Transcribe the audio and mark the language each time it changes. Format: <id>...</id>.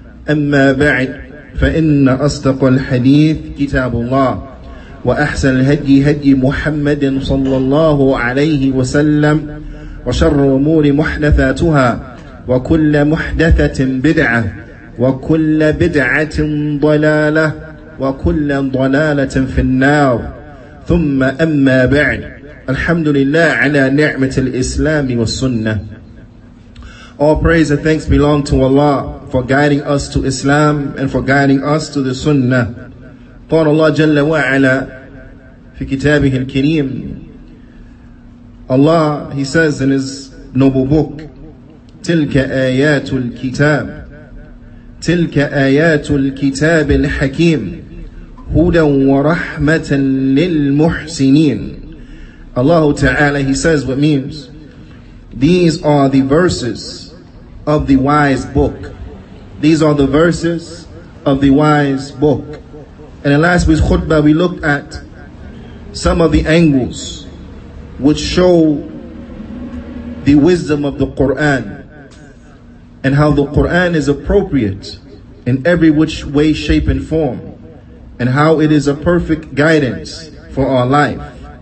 <ar>أما بعد فإن أصدق الحديث كتاب الله وأحسن الهدي هدي محمد صلى الله عليه وسلم وشر الأمور محدثاتها وكل محدثة بدعة وكل بدعة ضلالة وكل ضلالة في النار ثم أما بعد الحمد لله على نعمة الإسلام والسنة.</ar> <en>All praise and thanks belong to Allah for guiding us to Islam and for guiding us to the Sunnah.</en> <ar>قال الله جل وعلا في كتابه الكريم.</ar> <en>Allah, He says in His noble book,</en> <ar>تلك آيات الكتاب تلك آيات الكتاب الحكيم هدى ورحمة للمحسنين.</ar> <en>Allah Ta'ala, He says what means, these are the verses of the wise book. These are the verses of the wise book. And in last week's khutbah, we looked at some of the angles which show the wisdom of the Qur'an and how the Qur'an is appropriate in every which way, shape and form, and how it is a perfect guidance for our life.</en>